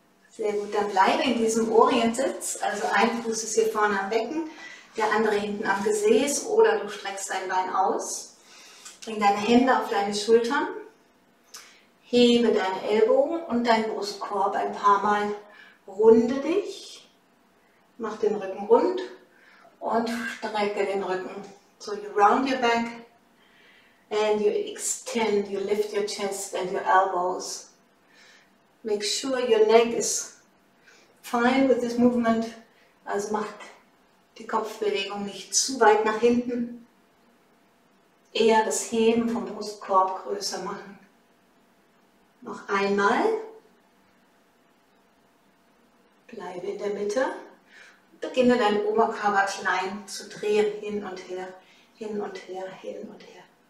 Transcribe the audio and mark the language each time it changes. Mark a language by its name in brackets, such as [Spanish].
[German] Sehr gut, dann bleibe in diesem Orientsitz. Also ein Fuß ist hier vorne am Becken, der andere hinten am Gesäß oder du streckst dein Bein aus. Bring deine Hände auf deine Schultern. Hebe deine Ellbogen und deinen Brustkorb ein paar Mal. Runde dich. Mach den Rücken rund und strecke den Rücken. [English] So you round your back and you extend, you lift your chest and your elbows. Make sure your neck is fine with this movement. [German] Also macht die Kopfbewegung nicht zu weit nach hinten. Eher das Heben vom Brustkorb größer machen. Noch einmal. Bleibe in der Mitte. Beginne deinen Oberkörper klein zu drehen, hin und her, hin und her, hin und her.